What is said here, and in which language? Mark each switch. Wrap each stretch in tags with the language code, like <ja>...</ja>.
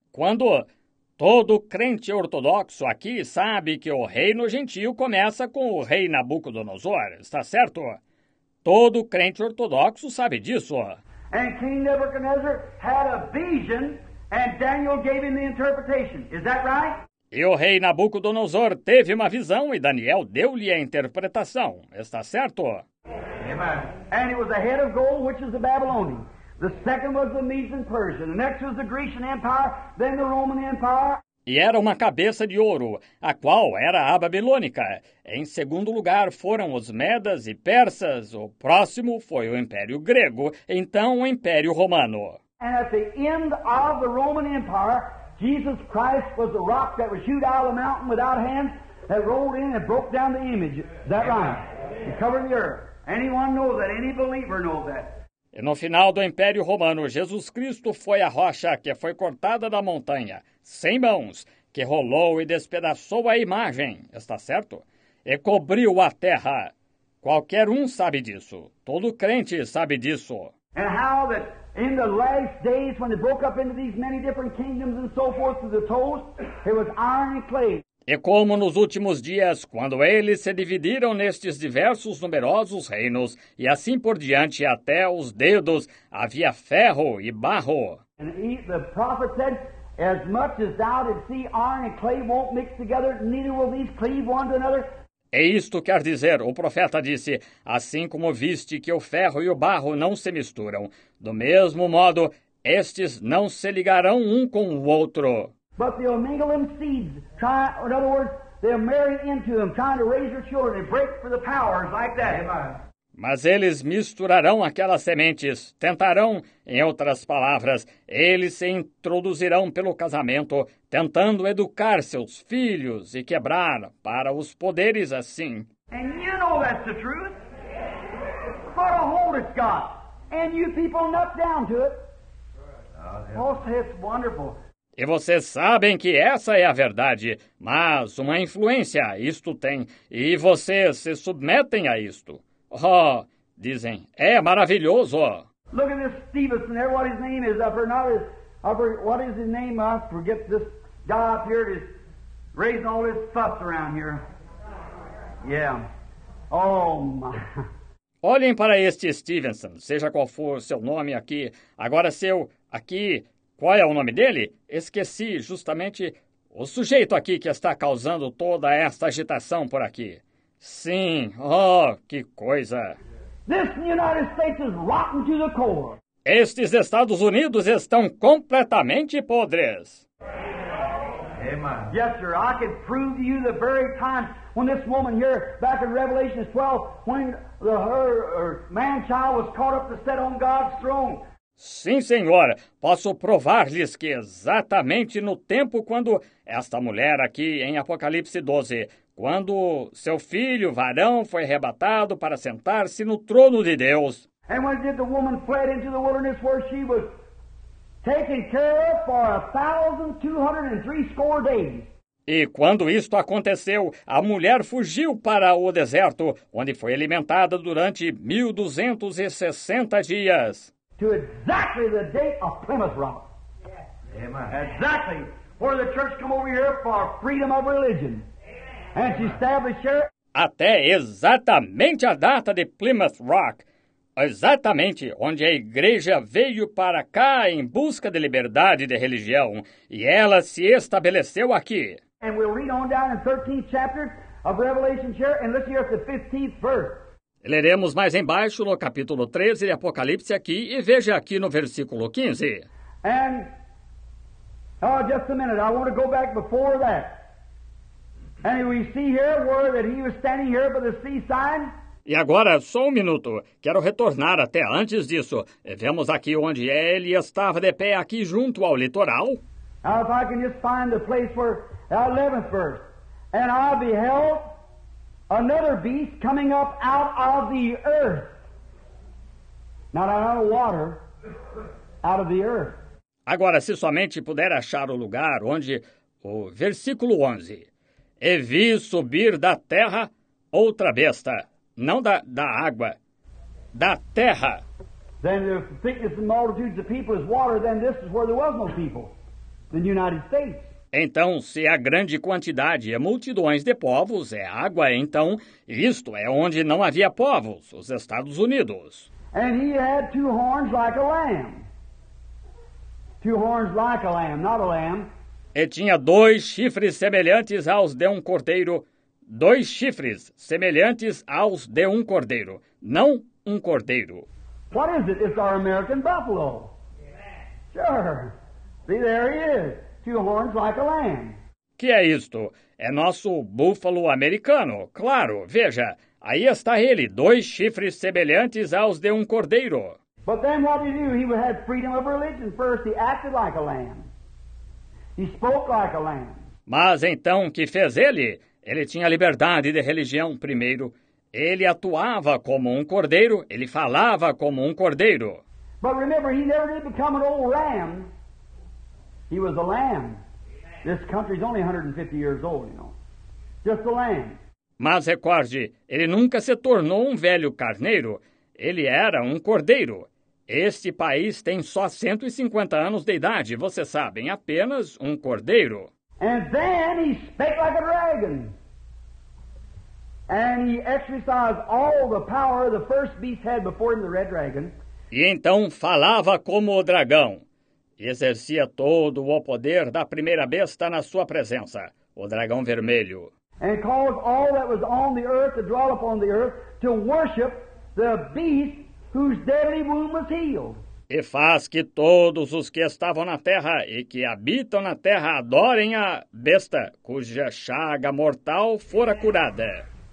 <pt>Quando todo crente ortodoxo aqui sabe que o reino gentil começa com o rei Nabucodonosor, está certo? Todo crente ortodoxo sabe disso.</pt> <en>And King Nebuchadnezzar had a vision and Daniel gave him the interpretation. Is that right?</en> <pt>E o rei Nabucodonosor teve uma visão e Daniel deu-lhe a interpretação. Está certo?</pt> <en>Amen. And it was a head of gold, which is the Babylonian. The second was the Medes and Persian. The next was the Grecian Empire, then the Roman Empire.</en> <pt>E era uma cabeça de ouro, a qual era a Babilônica. Em segundo lugar foram os Medas e Persas. O próximo foi o Império Grego, então o Império Romano.</pt> <en>And at the end of the Roman Empire, Jesus Christ was the rock that was hewed out of the mountain without hands, that rolled in and broke down the image. Is that right? It covered the earth. Anyone knows that? Any believer knows that?</en> <pt>E no final do Império Romano, Jesus Cristo foi a rocha que foi cortada da montanha, sem mãos, que rolou e despedaçou a imagem, está certo? E cobriu a terra. Qualquer um sabe disso. Todo crente sabe disso.</pt> <en>And how that in the last days, when they broke up into these many different kingdoms and so forth to the toast, it was iron and clay.</en> <pt>E como nos últimos dias, quando eles se dividiram nestes diversos numerosos reinos, e assim por diante até os dedos, havia ferro e barro.</pt> <en>And the prophet said, as much as thou did see iron and clay won't mix together, neither will these cleave one to another.</en> <pt>E isto quer dizer, o profeta disse, assim como viste que o ferro e o barro não se misturam, do mesmo modo, estes não se ligarão um com o outro.</pt> <en>But they'll mingle them seeds, try, in other words, they'll marry into them, trying to raise their children and break for the powers like that.</en> <pt>Mas eles misturarão aquelas sementes, tentarão, em outras palavras, eles se introduzirão pelo casamento, tentando educar seus filhos e quebrar para os poderes assim.</pt> <en>And you know that's the truth. For a hold it's got. And you people knock down to it. Oh, it's wonderful.</en> <pt>E vocês sabem que essa é a verdade, mas uma influência isto tem, e vocês se submetem a isto. Oh, dizem, é maravilhoso.</pt> <en>Look at this Stevenson there, what his name is, what is his name, I forget this guy up here that's raising all this fuss around here. Yeah. Oh, my.</en> <pt>Olhem para este Stevenson, seja qual for seu nome aqui, agora seu aqui... Qual é o nome dele? Esqueci justamente o sujeito aqui que está causando toda esta agitação por aqui. Sim, oh, que coisa.</pt> <en>This United States is rotten to the core.</en> <pt>Estes Estados Unidos estão completamente podres.</pt> <en>Amen. Yes, sir, I can prove to you the very time when this woman here, back in Revelation 12, when her man-child was caught up to sit on God's throne.</en> <pt>Sim, senhor, posso provar-lhes que exatamente no tempo quando esta mulher aqui em Apocalipse 12, quando seu filho varão foi arrebatado para sentar-se no trono de Deus.</pt> <en>And when did the woman fled into the wilderness where she was taken care of for 1,203 days?</en> <pt>E quando isto aconteceu, a mulher fugiu para o deserto, onde foi alimentada durante 1,260 dias.</pt> <en>To exactly the date of Plymouth Rock. Yes. Amen. Exactly where the church came over here for freedom of religion. Amen. And she established here.</en> <pt>Até exatamente a data de Plymouth Rock. Exatamente onde a igreja veio para cá em busca de liberdade de religião. E ela se estabeleceu aqui.</pt> <en>And we'll read on down in 13th chapter of Revelation here, and look here at the 15th verse.</en> <pt>Leremos mais embaixo no capítulo 13 de Apocalipse aqui e veja aqui no versículo 15.</pt> <en>And oh, just a minute, I want to go back before that. And we see here where that he was standing here by the sea sign.</en> <pt>E agora, só um minuto, quero retornar até antes disso. Vemos aqui onde ele estava de pé aqui junto ao litoral.</pt> <en>Now, if I can just find the place where the 11th verse, and I beheld another beast coming up out of the earth. Not out of water, out of the earth.</en> <pt>Agora, se somente puder achar o lugar onde o versículo 11, e vi subir da terra outra besta. Não da água, da terra.</pt> <en>Then the thickness and multitudes of people is water, then this is where there was no people, the United States.</en> <pt>Então, se a grande quantidade e multidões de povos é água, então isto é onde não havia povos, os Estados Unidos.</pt> <en>And he had two horns like a lamb. Two horns like a lamb, not a lamb.</en> <pt>E tinha dois chifres semelhantes aos de um cordeiro. Dois chifres semelhantes aos de um cordeiro, não um cordeiro.</pt> <en>What is it? It's our American buffalo. Yeah. Sure. See, there he is. Two horns like a lamb.</en> <pt>Que é isto? É nosso búfalo americano. Claro, veja. Aí está ele, dois chifres semelhantes aos de um cordeiro.</pt> <en>But then what did he do? He had freedom of religion. First, he acted like a lamb. He spoke like a lamb.</en> <pt>Mas então, que fez ele? Ele tinha liberdade de religião, primeiro. Ele atuava como um cordeiro, ele falava como um cordeiro.</pt> <en>But remember, he never did become an old lamb. He was a lamb. This country's only 150 years old, you know. Just a lamb.</en> <pt>Mas recorde, ele nunca se tornou um velho carneiro. Ele era um cordeiro. Este país tem só 150 anos de idade, vocês sabem, apenas um cordeiro.</pt> <en>And then he spake like a dragon. And he exercised all the power the first beast had before him, the red dragon.</en> <pt>E então falava como o dragão. E exercia todo o poder da primeira besta na sua presença, o dragão vermelho.</pt> <en>And caused all that was on the earth to dwell upon the earth to worship the beast whose deadly wound was healed.</en> <pt>E faz que todos os que estavam na terra e que habitam na terra adorem a besta cuja chaga mortal fora curada.</pt>